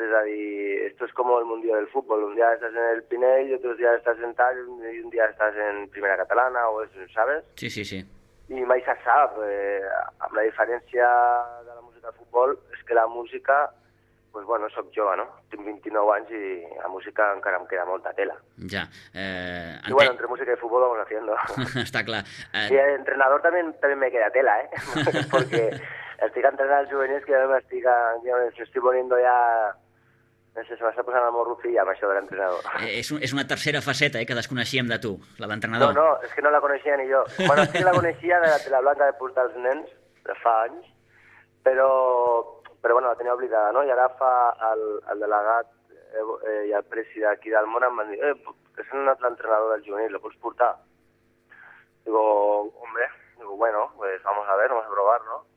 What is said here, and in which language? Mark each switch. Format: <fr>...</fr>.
<ca>És a dir,</ca> <es>esto es como el mundillo del fútbol.</es> <ca>Un dia estàs en el Pinell, otro dia estàs en tal, i un dia estàs en Primera Catalana,</ca> <es>o eso, ¿sabes?</es> <ca>Sí, sí, sí. I mai se sap. Amb la diferència de la música de futbol és que la música,</ca> <es>pues bueno,</es> <ca>soc jove, no? Tinc 29 anys i la música encara em queda molta tela. Ja. I bueno, entre música i futbol</ca> <es>vamos haciendo.</es> <ca>Està clar. I entrenador també me queda tela, eh? Perquè estic entrenant els juvenils que ja m'estic poniendo ja... No sé, se m'està posant el morro fill amb això de l'entrenador. És una tercera faceta, que desconeixíem de tu, la d'entrenador. No, és que no la coneixia ni jo. Bueno, sí que la coneixia de la tela blanca de portar els nens, de fa anys, però bueno, la tenia oblidada, no? I ara fa el delegat i el presi d'aquí del món em van dir que s'ha anat l'entrenador del juvenil,</ca> <es>¿lo puedes portar? Digo, hombre, digo, bueno, pues vamos a ver, vamos a probar, ¿no?</es>